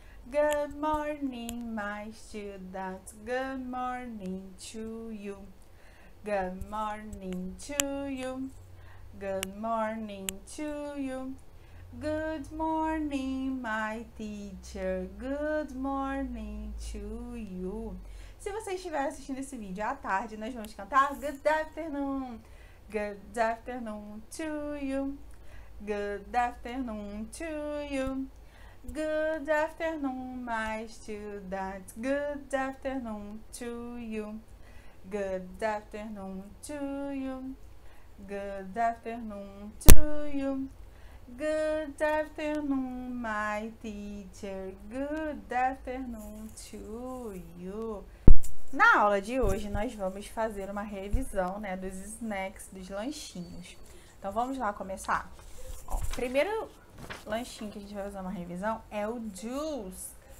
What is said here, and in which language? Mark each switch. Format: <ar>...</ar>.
<en>Good morning, my students. Good morning to you. Good morning to you. Good morning to you. Good morning, my teacher. Good morning to you.</en> <pt>Se você estiver assistindo esse vídeo à tarde, nós vamos cantar</pt> <en>Good afternoon. Good afternoon to you. Good afternoon to you. Good afternoon, my students. Good afternoon to you. Good afternoon to you. Good afternoon to you. Good afternoon, my teacher. Good afternoon to you.</en> <pt>Na aula de hoje, nós vamos fazer uma revisão, né, dos snacks, dos lanchinhos. Então, vamos lá começar. Ó, primeiro lanchinho que a gente vai fazer uma revisão é o juice.</pt>